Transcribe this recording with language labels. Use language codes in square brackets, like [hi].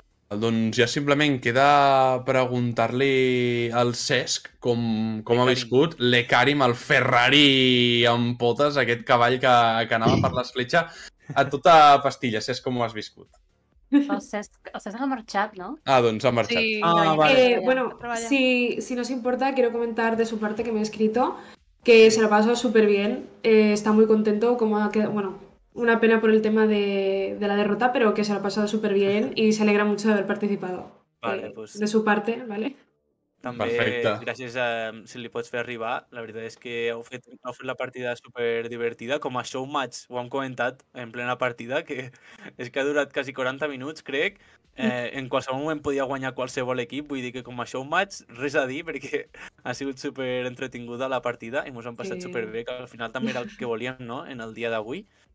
[ca] Doncs ja simplement queda preguntar-li al Cesc com ha viscut l'Ekarim, el Ferrari amb potes, aquest cavall que anava per l'escletxa a tota pastilla. Cesc, com ho has viscut? El Cesc ha marxat, no? Doncs ha marxat. Sí. [es] Bueno, si no s'importa, quiero comentar de su parte que me ha escrito que se lo pasó súper bien, está muy contento, como ha quedado, bueno... Una pena por el tema de la derrota, pero que se lo ha pasado súper bien y se alegra mucho de haber participado. Vale, pues... De su parte, ¿vale? [ca] També, perfecte. Gràcies a si li pots fer arribar. La veritat és que heu fet la partida super divertida, com a showmatch, ho hem comentat en plena partida, que és que ha durat quasi 40 minuts, crec. En qualsevol moment podia guanyar qualsevol equip, vull dir que com a showmatch, res a dir, perquè ha sigut super entretinguda la partida i ens hem passat super bé, que al final també era el que volíem, no?, en el dia d'avui.